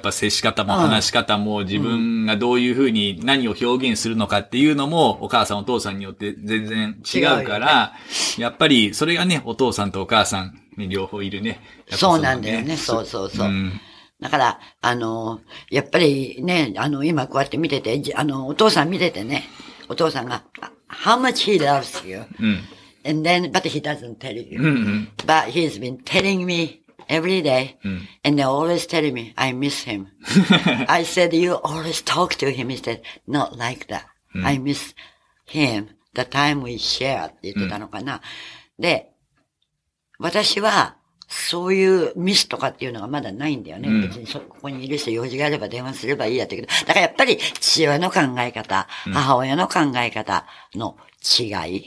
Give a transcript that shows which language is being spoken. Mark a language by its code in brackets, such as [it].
[ja] やっぱ接し方も話し方も自分がどういうふうに何を表現するのかっていうのもお母さんお父さんによって全然違うから、ね、やっぱりそれがね、お父さんとお母さん、ね、両方いるね。やっぱ そうなんだよね、そうそうそう。うん、だから、やっぱりね、今こうやって見てて、お父さん見ててね、お父さんが、 [en] How much he loves you.、うん、 And then, but he doesn't tell you.、うんうん、 but he's been telling me every day.、うん、 and they always tell me, I miss him. I said, you always talk to him. He said, not like that.、うん、I miss him. The time we share. [ja] って言ってたのかな、うん。で、私はそういうミスとかっていうのがまだないんだよね。うん、別にここにいる人用事があれば電話すればいいやってけど。だからやっぱり父親の考え方、うん、母親の考え方、の違い、